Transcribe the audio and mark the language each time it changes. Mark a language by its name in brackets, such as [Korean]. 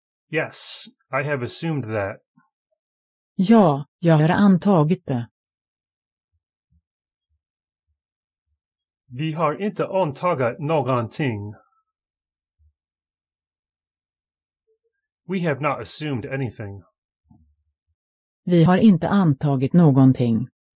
[English] Yes, I have assumed that. [Swedish] Ja, jag har antagit det. Vi har inte antagit någonting. [English] We have not assumed anything. [Swedish] Vi har inte antagit någonting.